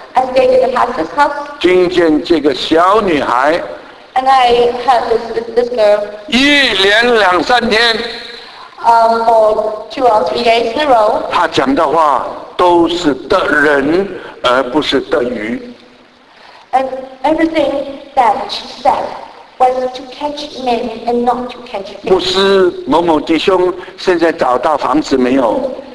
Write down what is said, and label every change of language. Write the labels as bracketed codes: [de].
[en] I stayed in the pastor's house. [zh] 听见这个小女孩。 [en] And I heard this girl. [zh] 一连两三天。 [en] For 2 or 3 days in a row. [zh] 她讲的话都是得人，而不是得鱼。 [en] And everything that she said was to catch men and not to catch fish. [zh] 牧师某某弟兄，现在找到房子没有